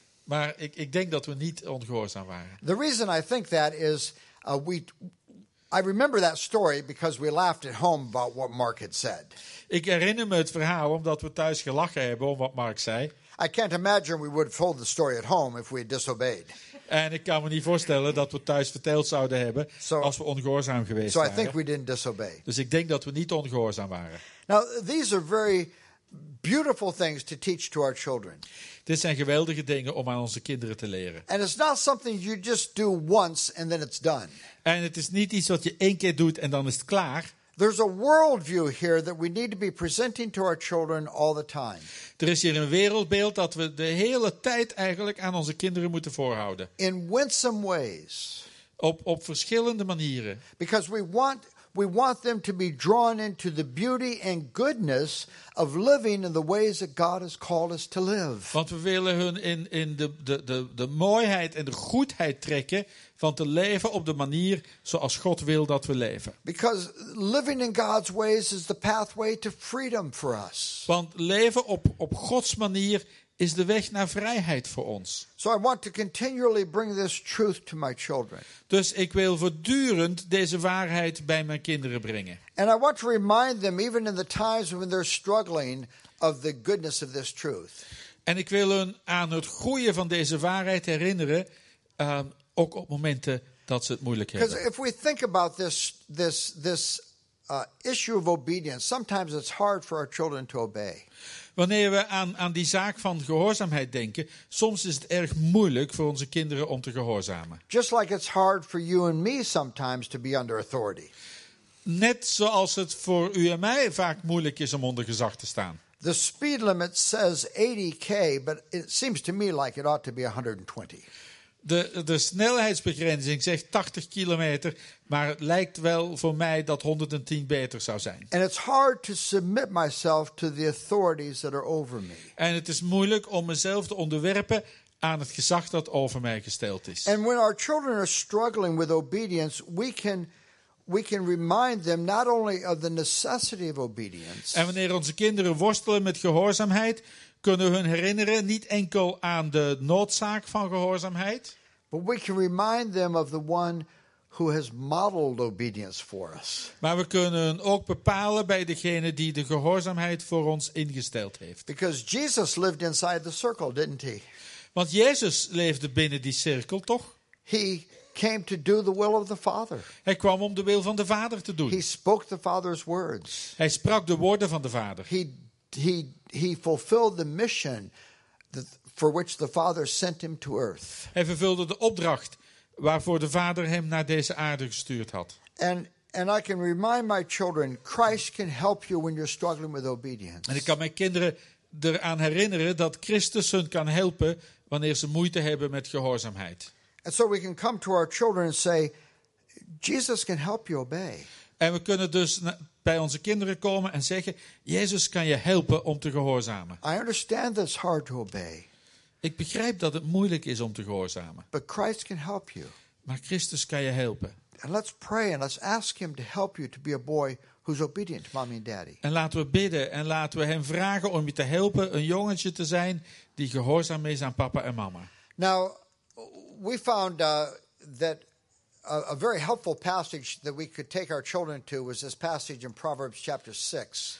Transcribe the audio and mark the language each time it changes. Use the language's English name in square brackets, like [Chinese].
[Dutch] Maar ik denk dat we niet ongehoorzaam waren. [English] The reason I think that is I remember that story because we laughed at home about what Mark had said. [Dutch] Ik herinner me het verhaal omdat we thuis gelachen hebben om wat Mark zei. [English] I can't imagine we would have told the story at home if we had disobeyed. [Dutch] En ik kan me niet voorstellen dat we thuis verteld zouden hebben als we ongehoorzaam geweest waren. [English] I think we didn't disobey. [Dutch] Dus ik denk dat we niet ongehoorzaam waren. [English] Now, these are very beautiful things to teach to our children. [Dutch] Dit zijn geweldige dingen om aan onze kinderen te leren. [English] And it's not something you just do once and then it's done. [Dutch] En het is niet iets wat je één keer doet en dan is het klaar. [English] There's a worldview here that we need to be presenting to our children all the time. [Dutch] Er is hier een wereldbeeld dat we de hele tijd eigenlijk aan onze kinderen moeten voorhouden. [English] In winsome ways. [Dutch] Op verschillende manieren. [English] Because we want them to be drawn into the beauty and goodness of living in the ways that God has called us to live. [Dutch] Want we willen hun in de mooiheid en de goedheid trekken van te leven op de manier zoals God wil dat we leven. [English] Because living in God's ways is the pathway to freedom for us. [Dutch] Want leven op Gods manier is de weg naar vrijheid voor ons. [English] So I want to continually bring this truth to my children. [Dutch] Dus ik wil voortdurend deze waarheid bij mijn kinderen brengen. [English] And I want to remind them even in the times when they're struggling of the goodness of this truth. [Dutch] En ik wil hun aan het groeien van deze waarheid herinneren ook op momenten dat ze het moeilijk hebben. [English] Because if we think about this issue of obedience, sometimes it's hard for our children to obey. [Dutch] Wanneer we aan die zaak van gehoorzaamheid denken, soms is het erg moeilijk voor onze kinderen om te gehoorzamen. [English] Just like it's hard for you and me sometimes to be under authority. [Dutch] Net zoals het voor u en mij vaak moeilijk is om onder gezag te staan. [English] The speed limit says 80k, but it seems to me like it ought to be 120. [Dutch] De snelheidsbegrenzing zegt 80 kilometer, maar het lijkt wel voor mij dat 110 beter zou zijn. [English] And it's hard to submit myself to the authorities that are over me. [Dutch] En het is moeilijk om mezelf te onderwerpen aan het gezag dat over mij gesteld is. [English] And when our children are struggling with obedience, we can remind them not only of the necessity of obedience. [Dutch] En wanneer onze kinderen worstelen met gehoorzaamheid, kunnen hun herinneren niet enkel aan de noodzaak van gehoorzaamheid, [English] but we can remind them of the one who has modeled obedience for us. [Dutch] Maar we kunnen ook bepalen bij degene die de gehoorzaamheid voor ons ingesteld heeft. [English] Because Jesus lived inside the circle, didn't he? [Dutch] Want Jezus leefde binnen die cirkel, toch? [English] He came to do the will of the Father. [Dutch] Hij kwam om de wil van de Vader te doen. [English] He spoke the Father's words. [Dutch] Hij sprak de woorden van de Vader. [English] He fulfilled the mission for which the Father sent him to earth. [Dutch] Hij vervulde de opdracht waarvoor de Vader hem naar deze aarde gestuurd had. [English] And I can remind my children, Christ can help you when you're struggling with obedience. [Dutch] En ik kan mijn kinderen eraan herinneren dat Christus hun kan helpen wanneer ze moeite hebben met gehoorzaamheid. [English] And so we can come to our children and say, Jesus can help you obey. [Dutch] En we kunnen dus bij onze kinderen komen en zeggen, Jezus kan je helpen om te gehoorzamen. [English] I understand that it's hard to obey. [Dutch] Ik begrijp dat het moeilijk is om te gehoorzamen. [English] But Christ can help you. [Dutch] Maar Christus kan je helpen. [English] And let's pray and let's ask him to help you to be a boy who's obedient to mommy and daddy. [Dutch] En laten we bidden en laten we hem vragen om je te helpen een jongetje te zijn die gehoorzaam is aan papa en mama. [English] Now, we found that a very helpful passage that we could take our children to was this passage in Proverbs chapter 6.